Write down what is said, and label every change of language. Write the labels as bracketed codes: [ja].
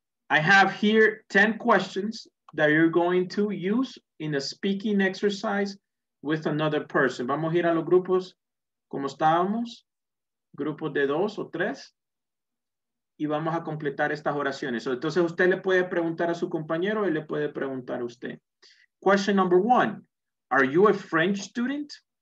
[en] I have here 10 questions that you're going to use in a speaking exercise with another person. [es] Vamos a ir a los grupos como estábamos, grupos de dos o tres, y vamos a completar estas oraciones. So, entonces, usted le puede preguntar a su compañero y le puede preguntar a usted. [en] Question number one, are you a French student?